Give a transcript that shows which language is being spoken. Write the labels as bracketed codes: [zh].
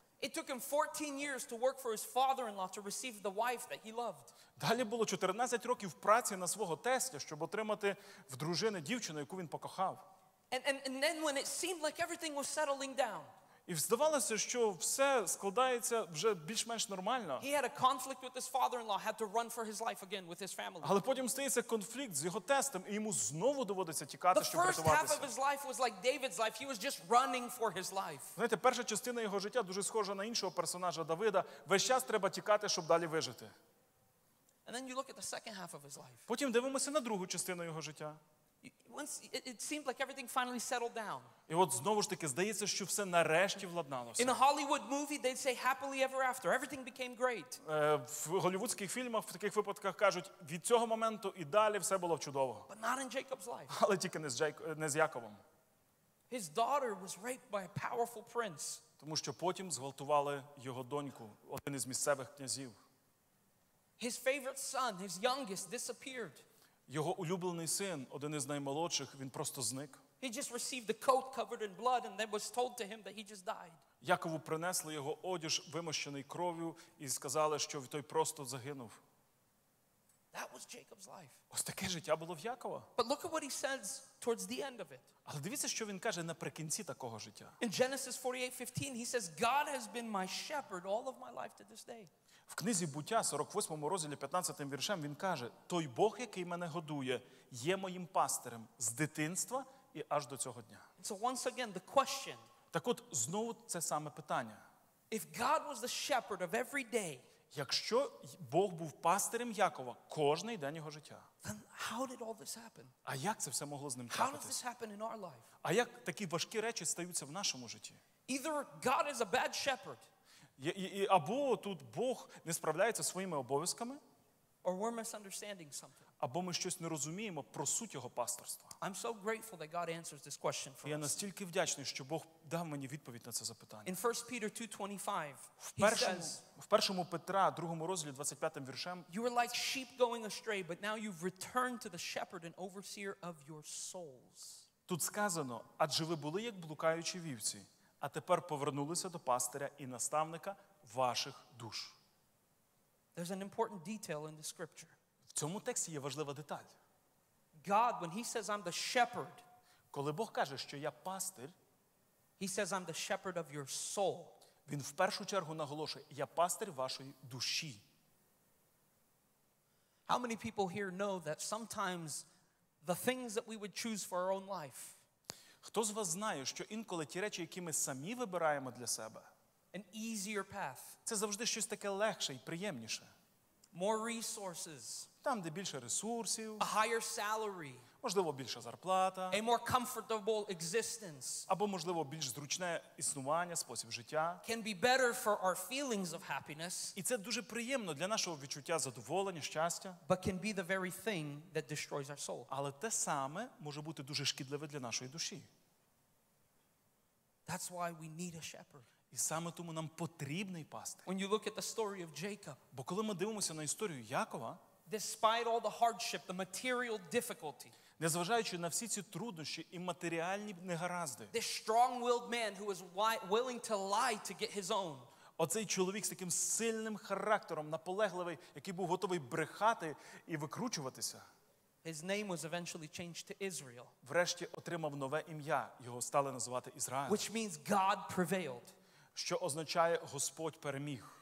[en] It took him 14 years to work for his father-in-law to receive the wife that he loved. [uk] Далі було 14 років праці на свого тестя, щоб отримати в дружини дівчину, яку він покохав. [en] And then when it seemed like everything was settling down. [uk] І здавалося, що все складається вже більш-менш нормально. [en] He had a conflict with his father-in-law, had to run for his life again with his family. [uk] Але потім стається конфлікт з його тестем, і йому знову доводиться тікати, щоб врятуватися. [en] The first half of his life was like David's life. He was just running for his life. [uk] Знаєте, перша частина його життя дуже схожа на іншого персонажа Давида. Весь час треба тікати, щоб далі вижити. [en] And then you look at the second half of his life. [uk] Потім дивимося на другу частину його життя. [en] Once it seemed like everything finally settled down. [uk] І от знову ж таки здається, що все нарешті владналося. [en] In a Hollywood movie they'd say happily ever after. Everything became great. [uk] В голлівудських фільмах в таких випадках кажуть, від цього моменту і далі все було чудово. [en] But not in Jacob's life. [uk] Але тільки не з Яковом. [en] His daughter was raped by a powerful prince. [uk] Тому що потім зґвалтували його доньку, один із місцевих князів. [en] His favorite son, his youngest, disappeared. [uk] Його улюблений син, один із наймолодших, він просто зник. [en] He just received the coat covered in blood and then was told to him that he just died. [uk] Якову принесли його одяг, вимощений кров'ю, і сказали, що той просто загинув. [en] That was Jacob's life. [uk] Ось таке життя було в Якова. [en] But look at what he says towards the end of it. [uk] Але дивіться, що він каже наприкінці такого життя. [en] In Genesis 48:15 he says God has been my shepherd all of my life to this day. [uk] В книзі Буття, 48 розділі, 15 віршем, він каже, той Бог, який мене годує, є моїм пастирем з дитинства і аж до цього дня. [en] So once again, the question, [uk] так от, знову це саме питання. [en] If God was the shepherd of every day, [uk] якщо Бог був пастирем Якова кожний день його життя, [en] then how did all this happen? [uk] А як це все могло з ним трапитись? [en] How did this happen in our life? [uk] А як такі важкі речі стаються в нашому житті? [en] Either God is a bad shepherd, [uk] і або тут Бог не справляється своїми обов'язками, [en] or we're misunderstanding something. [uk] Або ми щось не розуміємо про суть його пасторства. [en] I'm so grateful that God answers this question for us. [uk] Я настільки вдячний, що Бог дав мені відповідь на це запитання. [en] In 1 Peter 2:25, [uk] в першому Петра, другому розділі, 25 віршем, [en] you were like sheep going astray, but now you've returned to the shepherd and overseer of your souls. [uk] Тут сказано, адже ви були як блукаючі вівці, а тепер повернулися до пастиря і наставника ваших душ. [en] There's an important detail in the scripture. [uk] В цьому тексті є важлива деталь. [en] God, when he says I'm the shepherd, [uk] коли Бог каже, що я пастир, [en] he says I'm the shepherd of your soul. [uk] Він в першу чергу наголошує, я пастир вашої душі. [en] How many people here know that sometimes the things that we would choose for our own life, [uk] хто з вас знає, що інколи ті речі, які ми самі вибираємо для себе, [en] an easier path, [uk] це завжди щось таке легше і приємніше. [en] More resources, [uk] там, де більше ресурсів, [en] a higher salary, [uk] можливо, більша зарплата, [en] a more comfortable existence, [uk] або, можливо, більш зручне існування, спосіб життя, [en] can be better for our feelings of happiness, [uk] і це дуже приємно для нашого відчуття задоволення, щастя, [en] but can be the very thing that destroys our soul. [uk] Але те саме може бути дуже шкідливе для нашої душі. [en] That's why we need a shepherd. [uk] І саме тому нам потрібний пастир. [en] When you look at the story of Jacob, [uk] бо коли ми дивимося на історію Якова, [en] despite all the hardship, the material difficulty, [uk] незважаючи на всі ці труднощі і матеріальні негаразди, [en] this strong-willed man who was willing to lie to get his own, [uk] оцей чоловік з таким сильним характером, наполегливий, який був готовий брехати і викручуватися, [en] his name was eventually changed to Israel, [uk] врешті отримав нове ім'я, його стали називати Ізраїль, [en] which means God prevailed, [uk] що означає Господь переміг,